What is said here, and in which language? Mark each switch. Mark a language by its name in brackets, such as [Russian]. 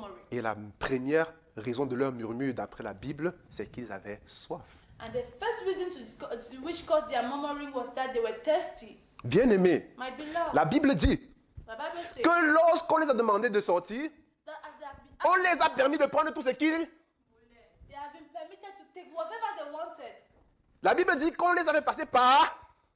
[French] Et la première raison de leur murmure d'après la Bible, c'est qu'ils avaient soif. [English] And the first reason which caused their murmuring was that they were thirsty. [French] Bien aimé, [English] my beloved, [French] la Bible dit que lorsqu'on les a demandé de sortir, on les a permis de prendre tout ce qu'ils voulaient. La Bible dit qu'on les avait passés par.